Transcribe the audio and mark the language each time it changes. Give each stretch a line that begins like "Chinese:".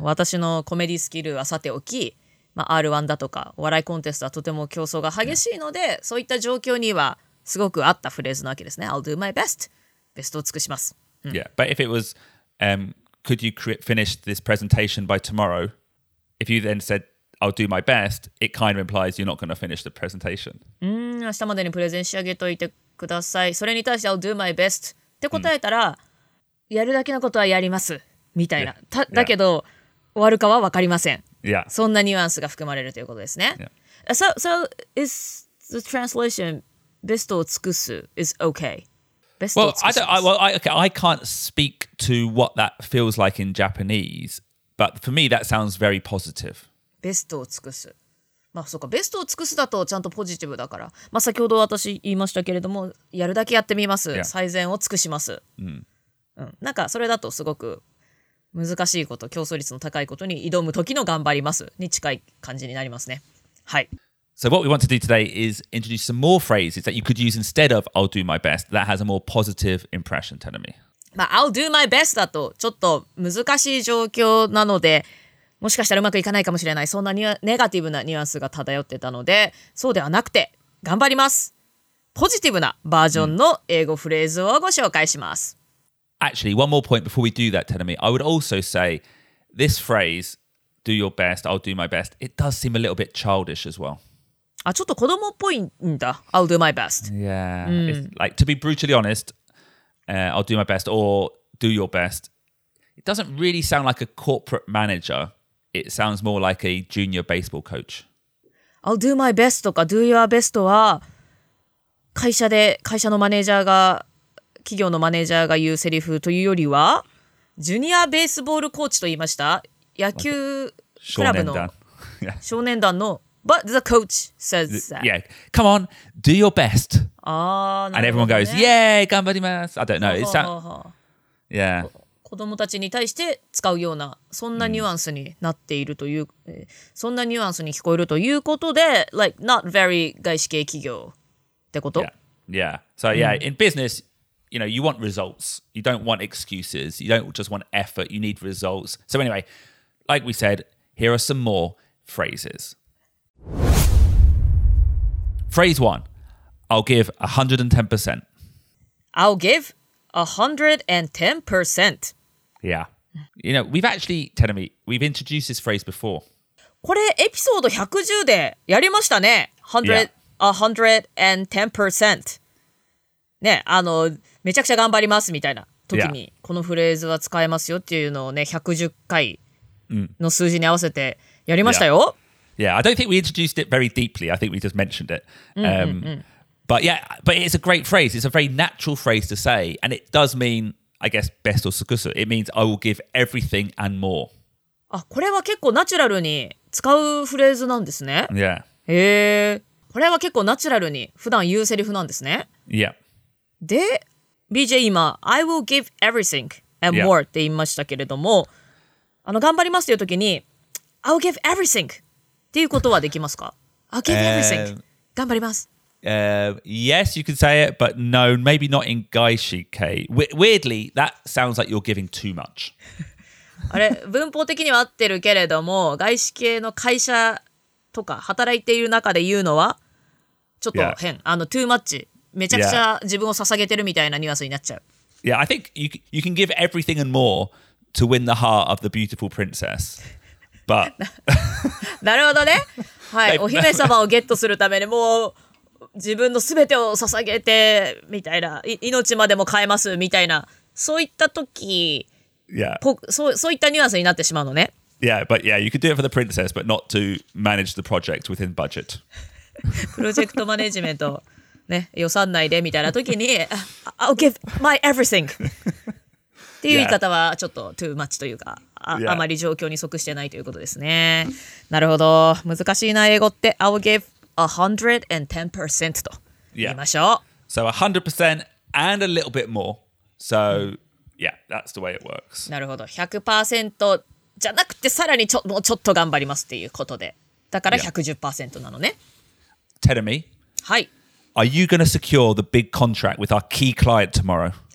Japanese: 私のコメディスキルはさておき、まあ、R1 だとかお笑いコンテストはとても競争が激しいので、yeah. そういった状況にはすごく合ったフレーズなわけですね。
English: I'll do my best、
Japanese: ベストを尽くします、
English: うん、Yeah, but if it was、could you finish this presentation by tomorrow, if you then said I'll do my best, it kind of implies you're not going to finish the presentation.
Japanese: 明日までにプレゼン仕上げといてください、それに対して
English: I'll do my best
Japanese: って答えたら、やるだけのことはやりますみたいな、
English: yeah.
Japanese: だけど、yeah. 終わるかは分かりません。
English: Yeah.
Japanese: そんなニュアンスが含まれるということですね。
English: Yeah. So is the translation
Japanese: best を尽くす
English: is okay?
Japanese: Best を尽くす。
English: I can't speak to what that feels like in Japanese, but for me that sounds very positive.
Japanese: ベストを尽くす。まあそうか、ベストを尽くすだとちゃんとポジティブだから。まあ先ほど私言いましたけれども、やるだけやってみます。
English: Yeah.
Japanese: 最善を尽くします。 Mm. うん。なんかそれだとすごく難しいこと、競争率の高いことに挑む時の頑張りますに近い感じになりますね。はい。
English: So what we want to do today is introduce some more phrases that you could use instead of I'll do my best that has a more positive impression, Tanami.
Japanese: まあ、
English: I'll do my best
Japanese: だとちょっと難しい状況なので、もしかしたらうまくいかないかもしれない。そんなにネガティブなニュアンスが漂ってたので、そうではなくて、頑張ります。ポジティブなバージョンの英語フレーズをご紹介します。うん、
English: Actually, one more point before we do that, Tanami. I would also say this phrase, do your best, I'll do my best, it does seem a little bit childish as well.
Japanese: あ、ちょっと子供っぽいんだ。
English: I'll do my best. Yeah.、うん、like, to be brutally honest,、I'll do my best or do your best, it doesn't really sound like a corporate manager. It sounds more like a junior baseball coach. I'll do my best
Japanese: とか
English: do your best
Japanese: は会社で、会社のマネージャーが企業のマネージャーが言うセリフというよりは、ジュニアベースボールコーチと言いました。野球クラブの少年団の、
English: But the coach says that. Yeah, come on, do your best.
Japanese: あ、ね、
English: And everyone goes, yay,
Japanese: 頑張ります。
English: I don't know. It's that... yeah.
Japanese: 子供たちに対して使うような、そんなニュアンスになっているという、そんなニュアンスに聞こえるということで、
English: like, not very
Japanese: 外資系企業ってこと。
English: Yeah, yeah. So yeah, in business,You know, you want results. You don't want excuses. You don't just want effort. You need results. So anyway, like we said, here are some more phrases. Phrase one, I'll give 110%. I'll give 110%. Yeah. You know, we've actually, Tanami, we've introduced this phrase before.
Japanese: これエピソード110でやりましたね。
English: 110%.
Japanese: ね、あのめちゃくちゃ頑張りますみたいな時にこのフレーズは使えますよっていうのをね、110回の数字に合わせてやりましたよ。
English: Yeah, I don't think we introduced it very deeply. I think we just mentioned it. But yeah, but it's a great phrase. It's a very natural phrase to say. And it does mean I guess
Japanese: best を尽くす。
English: It means I will give everything and more.
Japanese: あ、これは結構ナチュラルに使うフレーズなんですね。
English: Yeah.
Japanese: へえ。これは結構ナチュラルに普段言うセリフなんですね。
English: Yeah.
Japanese: で、BJ 今
English: I will give everything and more
Japanese: って言いましたけれども、あの頑張りますという時に
English: I will give everything
Japanese: っていうことはできますか？
English: I'll give everything.
Japanese: 頑張ります。
English: Yes, you can say it, but no, maybe not in gaishi kei. Weirdly, that sounds like you're giving too much.
Japanese: あれ、文法的には合ってるけれども、外資系の会社とか働いている中で言うのはちょっと変。あの、
English: too much。
Japanese: めちゃくちゃ自分を捧げてるみたいなニュアンスになっちゃう。
English: Yeah, I think you can give everything and more to win the heart of the beautiful princess. But...
Japanese: なるほどね。はい、お姫様をゲットするためにもう自分のすべてを捧げてみたいな、命までも変えますみたいな、そういった時、そういったニュアンスになってしまうのね。
English: Yeah, but yeah, you could do it for the princess, but not to manage the project within budget.
Japanese: プロジェクトマネジメント、ね、予算内でみたいな時に、
English: I'll give my everything!
Japanese: っていう言い方はちょっと
English: too much
Japanese: というか、あまり状況に即してないということですね。なるほど、難しいな、英語って。
English: I'll give... 110%
Japanese: と言いましょう。
English: So 100% and a little bit more. So yeah, that's the way it works.
Japanese: なるほど。 100% じゃなくてさらにもうちょっと頑張りますっていうことで。だから 110% なのね。
English: Tell me.
Japanese: はい。
English: Are you going to secure the big contract with our key client tomorrow?